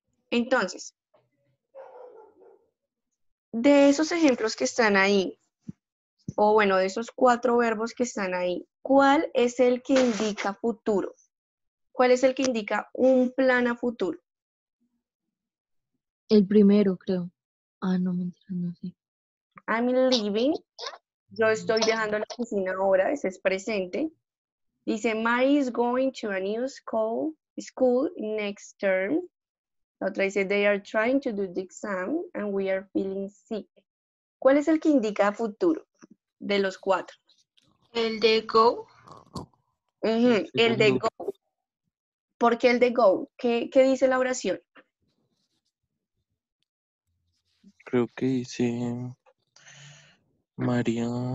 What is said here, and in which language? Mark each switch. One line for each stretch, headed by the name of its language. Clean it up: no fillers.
Spanish: Entonces, de esos ejemplos que están ahí, o bueno, de esos cuatro verbos que están ahí, ¿cuál es el que indica futuro? ¿Cuál es el que indica un plan a futuro? El primero, creo. Ah, no, mentira, no sé.
English: I'm leaving.
Spanish: Yo estoy dejando la oficina ahora. Ese es presente. Dice,
English: Mary is going to a new school next term.
Spanish: La otra dice,
English: they are trying to do the exam and we are feeling sick.
Spanish: ¿Cuál es el que indica futuro de los cuatro? El de go. El de go. ¿Por qué el de go? ¿Qué dice la oración? Creo que dice María.